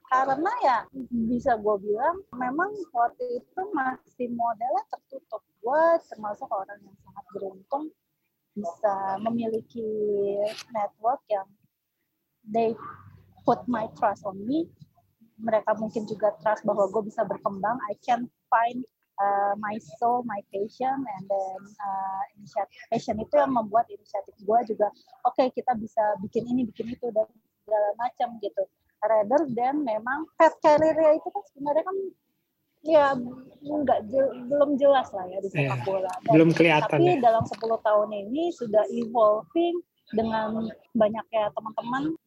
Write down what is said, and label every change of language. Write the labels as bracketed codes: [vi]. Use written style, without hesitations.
[id] Karena ya bisa gue bilang memang waktu itu masih modelnya tertutup. Gue termasuk orang yang sangat beruntung bisa memiliki network yang [en] they put my trust on me. [id] Mereka mungkin juga trust bahwa gue bisa berkembang. [en] I can find my soul, my passion, and then initiative. [id] Passion itu yang membuat inisiatif gue juga okay, kita bisa bikin ini, bikin itu, dan segala macam gitu. [en] Rather than [id] memang fat career-nya itu kan sebenarnya kan ya enggak belum jelas lah ya di sepak bola. Dan, belum kelihatan. Tapi dalam 10 tahun ini sudah evolving dengan banyak ya teman-teman.